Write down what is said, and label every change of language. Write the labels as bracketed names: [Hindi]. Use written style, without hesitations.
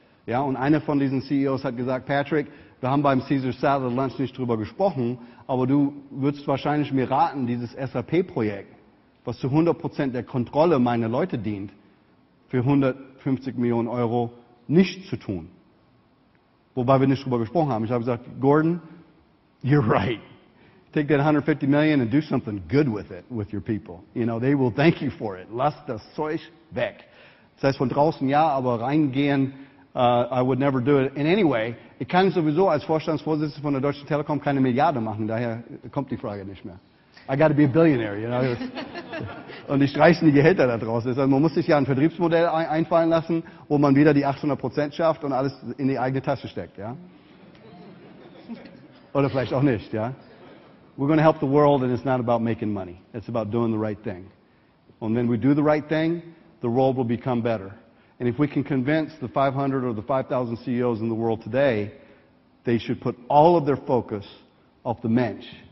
[German] Ja, und einer von diesen CEOs hat gesagt, Patrick, wir haben beim Caesar Salad Lunch nicht drüber gesprochen, aber du würdest wahrscheinlich mir raten, dieses SAP-Projekt, was zu 100% der Kontrolle meiner Leute dient, für 150 Millionen Euro nicht zu tun. Wobei wir nicht drüber gesprochen haben. Ich habe gesagt, Gordon, [English] you're right. Take that 150 million and do something good with it, with your people. You know, they will thank you for it. [German] Lass das Zeug weg. Das heißt, von draußen ja, aber reingehen, [English] I would never do it. In any way, [German] ich kann sowieso als Vorstandsvorsitzender von der Deutschen Telekom keine Milliarde machen. Daher kommt die Frage nicht mehr. [English] I got to be a billionaire, you know. [German] Und ich streichen die Gehälter da draußen. Also man muss sich ja ein Vertriebsmodell einfallen lassen, wo man wieder die 800% schafft und alles in die eigene Tasche steckt, ja. Oder vielleicht auch nicht, ja. [English] We're going to help the world and it's not about making money. It's about doing the right thing. And when we do the right thing, the world will become better. And if we can convince the 500 or the 5,000 CEOs in the world today They should put all of their focus auf the Mensch.